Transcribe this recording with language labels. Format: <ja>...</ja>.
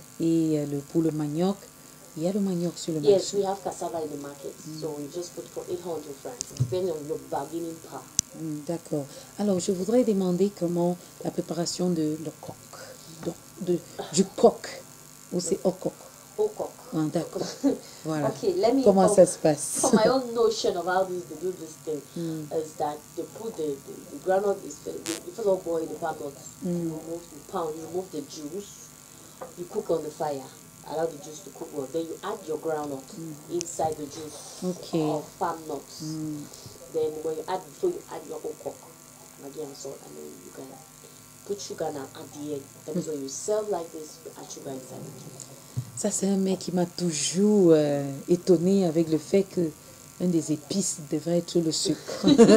<fr>Et pour le manioc, il y a le manioc sur le</fr> <en>yes,</en> <fr>marché.</fr> <en>Yes, we have cassava in the market, so we just put for 800 francs, depending on your bargaining power.</en> <fr>D'accord. Alors, je voudrais demander comment la préparation de le coq, du coq, ou c'est okok. Okok. D'accord. Voilà.</fr> <en>Okay, let me</en> <fr>comment ça se passe?</fr> <en>For my own notion of how to do this thing is that they put the groundnut is the first of all, the palm nuts. You remove the juice. You cook on the fire. Allow the juice to cook well. Then you add your groundnut inside the juice okay. of palm nuts. Then when you add before you add your okok, again salt, and then you can put sugar now at the end. That is when you serve like this. You add sugar inside the juice.</en> <fr>Ça, c'est un mec qui m'a toujours étonné avec le fait que un des épices devrait être le sucre.</fr>